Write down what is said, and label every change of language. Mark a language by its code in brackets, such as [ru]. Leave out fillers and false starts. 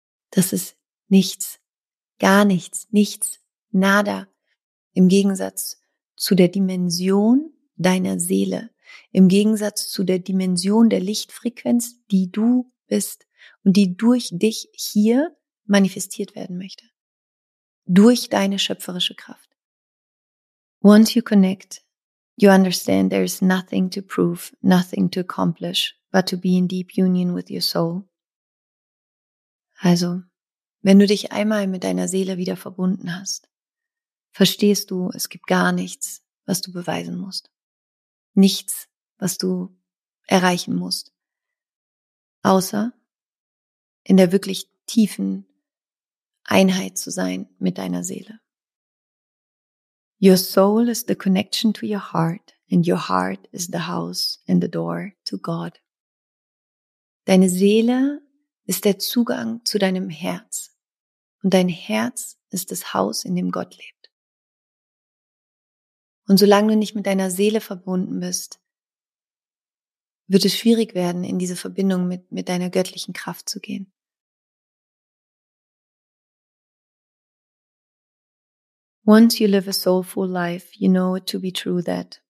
[de] Das ist nichts, gar nichts, nichts, nada im Gegensatz zu der Dimension deiner Seele. Im Gegensatz zu der Dimension der Lichtfrequenz, die du bist und die durch dich hier manifestiert werden möchte. Durch deine schöpferische Kraft. [en] Once you connect, you understand there is nothing to prove, nothing to accomplish, but to be in deep union with your soul. [de] Also, wenn du dich einmal mit deiner Seele wieder verbunden hast, verstehst du, es gibt gar nichts, was du beweisen musst. Nichts, was du erreichen musst, außer in der wirklich tiefen Einheit zu sein mit deiner Seele. [en] Your soul is the connection to your heart, and your heart is the house and the door to God. [de] Deine Seele ist der Zugang zu deinem Herz, und dein Herz ist das Haus, in dem Gott lebt. Und solange du nicht mit deiner Seele verbunden bist, wird es schwierig werden, in diese Verbindung mit deiner göttlichen Kraft zu gehen. [en] Once you live a soulful life, you know it to be true that.